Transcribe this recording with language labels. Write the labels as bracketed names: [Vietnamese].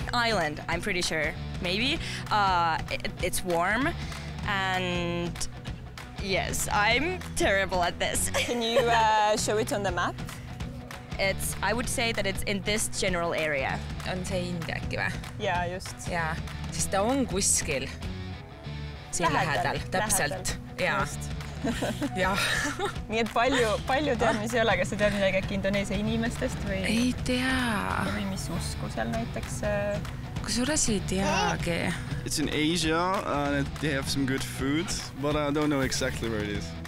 [English] Island, I'm pretty sure, maybe. It's warm and yes, I'm terrible at this. Can you show it on the map? I would say that it's in this general area. [Estonian] On see India äkki vä? Jaa, just. Jaa, siis ta on kuskil siin lähedal, täpselt. Jaa. Jaa. Nii et palju teadmisi ei ole, kas sa tead midagi äkki Indoneesia inimestest või? Ei tea. Või mis usku seal näiteks? Kus juures ei teagi? [English] It's in Asia and they have some good food, but I don't know exactly where it is.